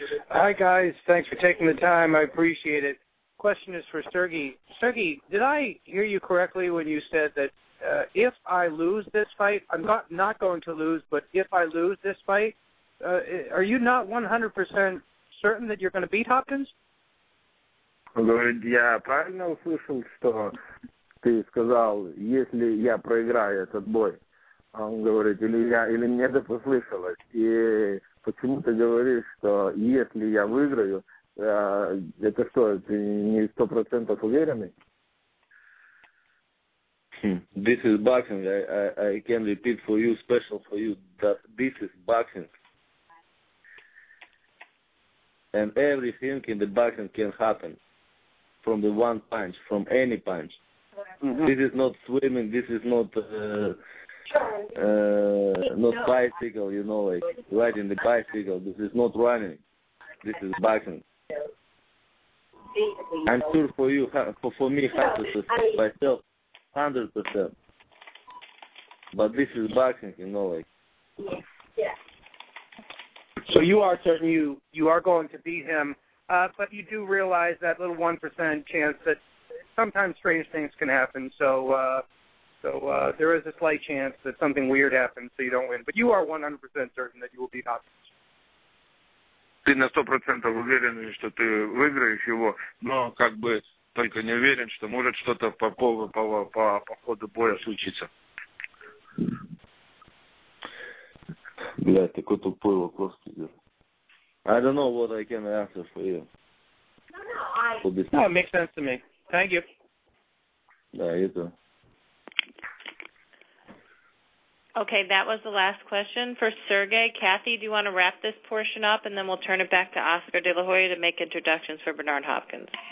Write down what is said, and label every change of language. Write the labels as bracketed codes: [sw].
[en] Hi, guys. Thanks for taking the time. I appreciate it. Question is for Sergey. Sergey, did I hear you correctly when you said that if I lose this fight, I'm not going to lose, but if I lose this fight, are you not 100% certain that you're going to beat Hopkins? [ru] Я правильно услышал, что ты сказал, если я проиграю этот бой. Он говорит, или мне это послышалось. И почему ты говоришь, что если я выиграю, это что, ты не 100% уверенный? [en] This is boxing. I can repeat for you, special for you, that this is boxing. And everything in the boxing can happen from the one punch, from any punch. Mm-hmm. This is not swimming. This is not not bicycle, you know, like riding the bicycle. This is not running. This is boxing. I'm sure for you, for me, 100%, myself, 100%. But this is boxing, you know, like. So you are certain you are going to beat him, but you do realize that little 1% chance that sometimes strange things can happen. So there is a slight chance that something weird happens so you don't win. But you are 100% certain that you will beat Hopkins. [ru] Ты на 100% уверен, что ты выиграешь его, но как бы только не уверен, что может что-то по ходу боя случиться. Блядь, такой тупой вопрос. [en] I don't know what I can answer for you. No, it makes sense to me. Thank you. Да, you too. Okay, that was the last question for Sergey. Kathy, do you want to wrap this portion up, and then we'll turn it back to Oscar De La Hoya to make introductions for Bernard Hopkins.